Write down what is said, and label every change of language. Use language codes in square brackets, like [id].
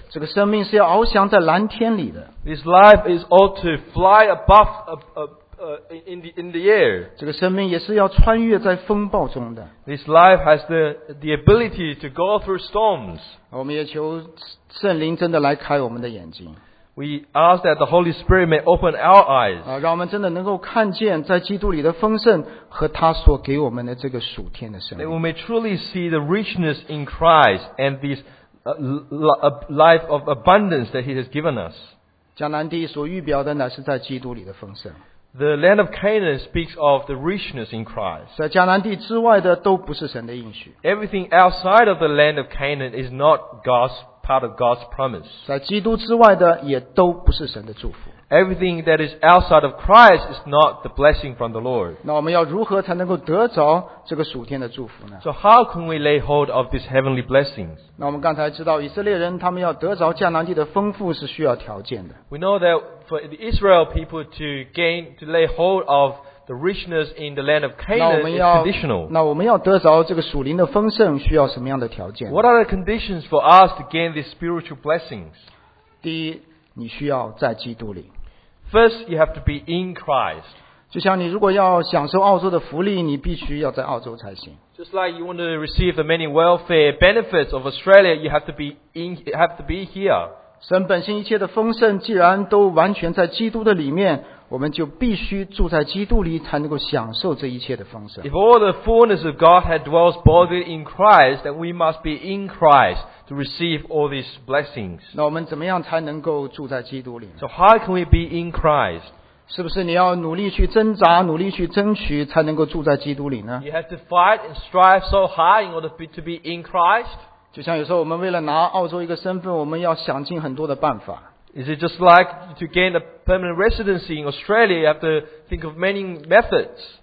[zh] 这个生命是要翱翔在蓝天里的。 [en] This life is ought to fly above in the air. [zh] 这个生命也是要穿越在风暴中的。 [en] This life has the ability to go through storms. [zh] 我们也求圣灵真的来开我们的眼睛。 [en] We ask that the Holy Spirit may open our eyes. [zh] 让我们真的能够看见在基督里的丰盛和他所给我们的这个属天的生命。 [en] That we may truly see the richness in Christ and this life of abundance that he has given us. [zh] 迦南地所预表的乃是在基督里的丰盛。 [en] The land of Canaan speaks of the richness in Christ. [zh] 在迦南地之外的都不是神的应许。 [en] Everything outside of the land of Canaan is not God's part of God's promise. [zh] 在基督之外的也都不是神的祝福。 [en] Everything that is outside of Christ is not the blessing from the Lord. [zh] 那我们要如何才能够得着这个属天的祝福呢？ [en] So how can we lay hold of these heavenly blessings? [zh] 那我们刚才知道以色列人他们要得着迦南地的丰富是需要条件的。 [en] We know that for the Israel people to lay hold of the richness in the land of Canaan is conditional. [zh] 那我们要得着这个属灵的丰盛需要什么样的条件？ [en] What are the conditions for us to gain these spiritual blessings? [zh] 第一，你需要在基督里。 [en] First, you have to be in Christ. [zh] 就像你如果要享受澳洲的福利，你必须要在澳洲才行。 [en] Just like you want to receive the many welfare benefits of Australia, you have to be here. [zh] 神本性一切的丰盛既然都完全在基督的里面，我们就必须住在基督里才能够享受这一切的丰盛。 [en] If all the fullness of God had dwelt bodily in Christ, then we must be in Christ to receive all these blessings. [zh] 那我们怎么样才能够住在基督里？ [en] So how can we be in Christ? [zh] 是不是你要努力去挣扎，努力去争取才能够住在基督里呢？ [en] You have to fight and strive so hard in order to be in Christ. [zh] 就像有时候我们为了拿澳洲一个身份，我们要想尽很多的办法。 [en] Is it just like to gain a permanent residency in Australia, you have to think of many methods?